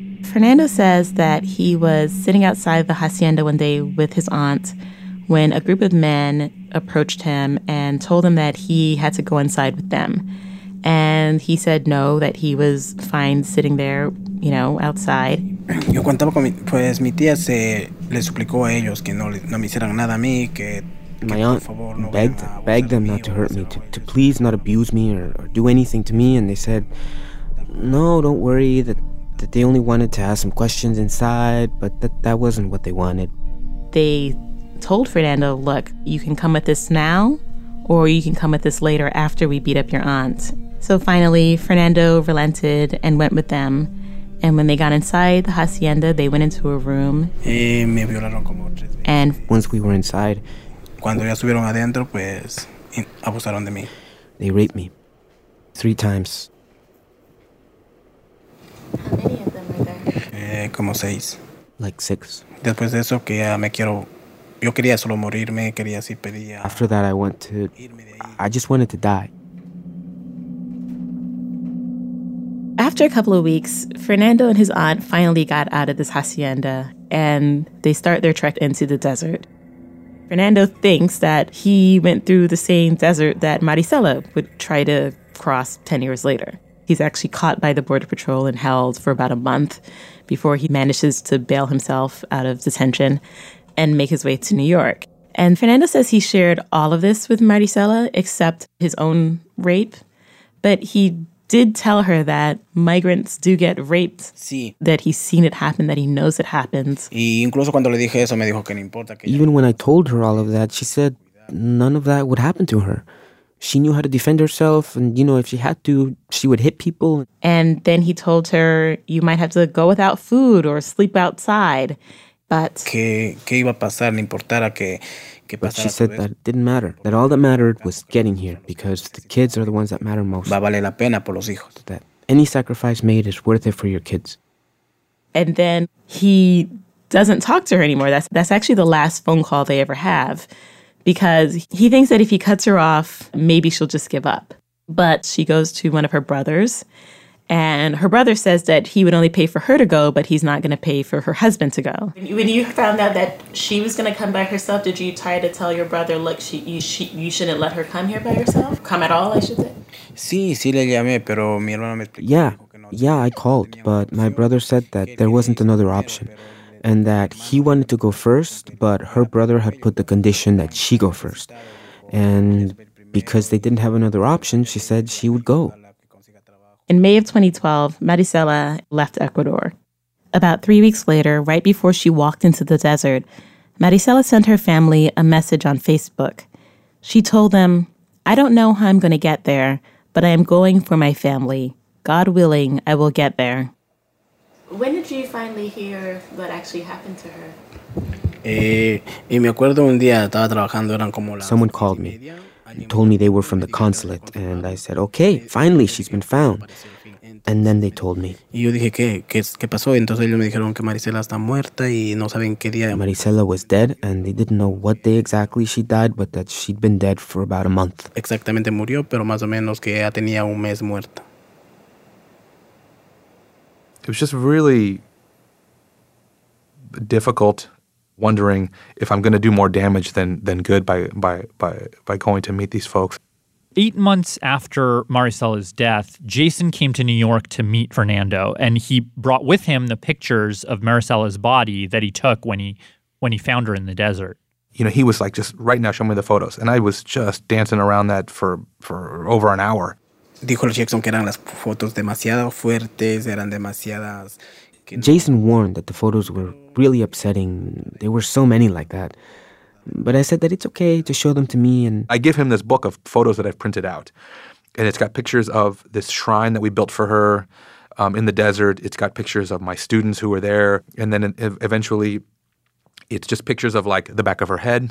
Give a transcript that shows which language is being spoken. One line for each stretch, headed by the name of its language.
English: Fernando says that he was sitting outside the hacienda one day with his aunt when a group of men approached him and told him that he had to go inside with them. And he said no, that he was fine sitting there, you know, outside.
Spanish: Yo contaba con mi, pues mi tía se le suplicó a ellos que no, no me hicieran nada a mí, que...
English: My aunt begged them not to hurt me, to please not abuse me or do anything to me, and they said, no, don't worry, that they only wanted to ask some questions inside, but that wasn't what they wanted. They told Fernando, look, you can come with us now, or you can come with us later after we beat up your aunt. So finally, Fernando relented and went with them, and when they got inside the hacienda, they went into a room, and once we were inside,
Spanish: cuando ya subieron adentro, pues, abusaron de mí.
English: They raped me. 3 times. How many of them were there?
Spanish: Como 6.
English: Like 6.
Spanish: Después de eso, que ya me quiero... Yo quería solo morirme, quería así pedir...
English: After that, I just wanted to die. After a couple of weeks, Fernando and his aunt finally got out of this hacienda, and they start their trek into the desert. Fernando thinks that he went through the same desert that Maricela would try to cross 10 years later. He's actually caught by the Border Patrol and held for about a month before he manages to bail himself out of detention and make his way to New York. And Fernando says he shared all of this with Maricela except his own rape. But he did tell her that migrants do get raped,
Spanish: sí.
English: That he's seen it happen, that he knows it happens.
Spanish: Y incluso cuando le dije eso, me dijo que no importa que
English: Even when I told her all of that, she said none of that would happen to her. She knew how to defend herself, and, you know, if she had to, she would hit people. And then he told her, you might have to go without food or sleep outside, but...
Spanish: ¿Qué iba a pasar? No importara que...
English: But she said that it didn't matter, that all that mattered was getting here, because the kids are the ones that matter most.
Spanish: Va a valer la pena por los hijos.
English: That any sacrifice made is worth it for your kids. And then he doesn't talk to her anymore. That's actually the last phone call they ever have, because he thinks that if he cuts her off, maybe she'll just give up. But she goes to one of her brothers, and her brother says that he would only pay for her to go, but he's not going to pay for her husband to go. When you found out that she was going to come by herself, did you try to tell your brother, look, you shouldn't let her come here by herself? Come at all, I should say?
Spanish: Sí, sí le llamé, pero mi hermano me explicó.
English: Yeah, I called, but my brother said that there wasn't another option, and that he wanted to go first, but her brother had put the condition that she go first. And because they didn't have another option, she said she would go. In May of 2012, Maricela left Ecuador. About 3 weeks later, right before she walked into the desert, Maricela sent her family a message on Facebook. She told them, I don't know how I'm going to get there, but I am going for my family. God willing, I will get there. When did you finally hear what actually happened to her?
Spanish: Y me acuerdo un día estaba trabajando, eran como las...
English: Someone called me. He told me they were from the consulate, and I said, okay, finally, she's been found. And then they told me.
Spanish: Y yo dije, ¿qué pasó? Entonces ellos me dijeron que Maricela está muerta y no saben qué día.
English: Maricela was dead, and they didn't know what day exactly she died, but that she'd been dead for about a month.
Spanish: Exactamente murió, pero más o menos que ya tenía un mes muerta.
English: It was just really difficult. Wondering if I'm going to do more damage than good by going to meet these folks. 8 months after Maricela's death, Jason came to New York to meet Fernando, and he brought with him the pictures of Maricela's body that he took when he found her in the desert. You know, he was like, just right now, show me the photos. And I was just dancing around that for over an hour.
Spanish: Dijo Jason que eran las fotos demasiado fuertes, eran demasiadas...
English: Jason warned that the photos were really upsetting. There were so many like that. But I said that it's okay to show them to me. And I give him this book of photos that I've printed out. And it's got pictures of this shrine that we built for her in the desert. It's got pictures of my students who were there. And then eventually it's just pictures of, like, the back of her head.